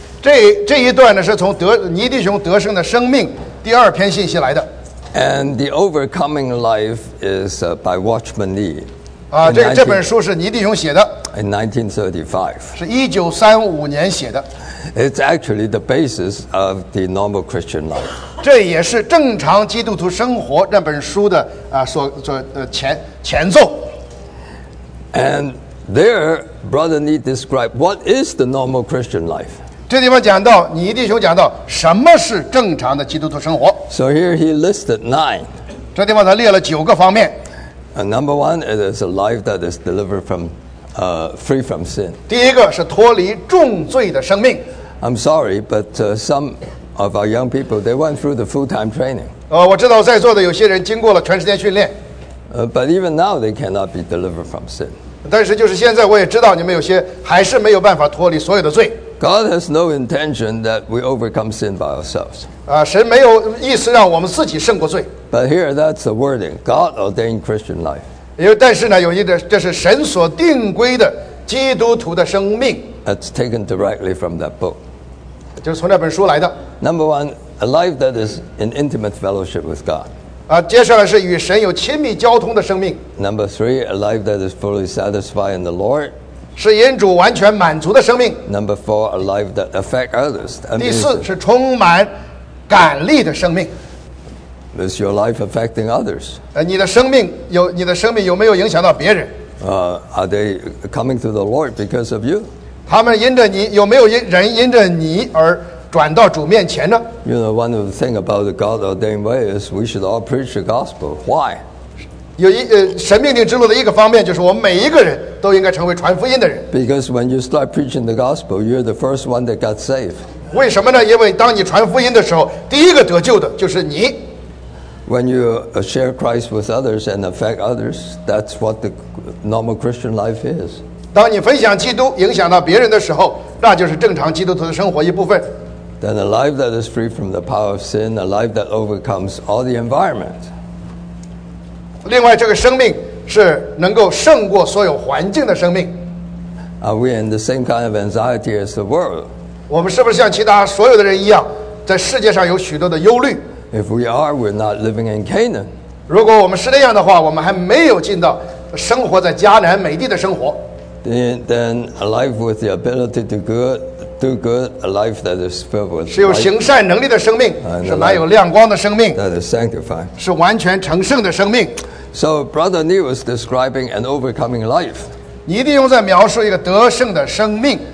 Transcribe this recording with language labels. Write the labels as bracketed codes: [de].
[zh] 这一段呢，是从尼弟兄得胜的生命第二篇信息来的。 [en] And the overcoming life is by Watchman Nee. [zh] 这本书是尼弟兄写的。 [en] In 1935. [zh] 是1935年写的。 [en] It's actually the basis of the normal Christian life. [zh] 这也是正常基督徒生活这本书的前奏。 [en] And there, Brother Nee described what is the normal Christian life. [zh] 这地方讲到，你弟兄讲到什么是正常的基督徒生活。 [en] So here he listed nine. [zh] 这地方他列了九个方面。 [en] Number one, it is a life that is delivered from, free from sin. [zh] 第一个是脱离重罪的生命。 [en] I'm sorry, but some of our young people they went through the full-time training. [zh] 我知道在座的有些人经过了全时间训练。 [en] But even now they cannot be delivered from sin. [zh] 但是就是现在我也知道你们有些还是没有办法脱离所有的罪。 [en] God has no intention that we overcome sin by ourselves. [zh] 神没有意思让我们自己胜过罪。 [en] But here, that's the wording. God ordained Christian life. [zh] 但是呢，有一个，这是神所定规的基督徒的生命。 [en] That's taken directly from that book. [zh] 就是从那本书来的。 [en] Number one, a life that is in intimate fellowship with God. [zh] 接下来是与神有亲密交通的生命。 [en] Number three, a life that is fully satisfied in the Lord. [zh] 是因主完全满足的生命。 [en] Number four, a life that affects others. [zh] 第四是充满感力的生命。 [en] Is your life affecting others? [zh] 你的生命有没有影响到别人？ [en] Are they coming to the Lord because of you? [zh] 他们因着你，有没有人因着你而转到主面前呢？ [en] You know, one of the things about the God ordained way is we should all preach the gospel. Why? [zh] 神命定之路的一个方面就是我们每一个人都应该成为传福音的人。 [en] Because when you start preaching the gospel, you're the first one that got saved. [zh] 为什么呢？因为当你传福音的时候，第一个得救的就是你。 [en] When you share Christ with others and affect others, that's what the normal Christian life is. [zh] 当你分享基督影响到别人的时候，那就是正常基督徒的生活一部分。 [en] Then a life that is free from the power of sin, a life that overcomes all the environment. [zh] 另外这个生命是能够胜过所有环境的生命。 [en] Are we in the same kind of anxiety as the world? [zh] 我们是不是像其他所有的人一样，在世界上有许多的忧虑？ [en] If we are, we're not living in Canaan. [zh] 如果我们是那样的话，我们还没有进到生活在迦南美地的生活。 [en] Then a life with the ability to do good, a life that is filled with light, [zh] 是有行善能力的生命，是蛮有亮光的生命， [en] that is sanctified, [zh] 是完全成圣的生命。 [en] So Brother Nee was describing an overcoming life. [zh] 尼弟兄在描述一个得胜的生命。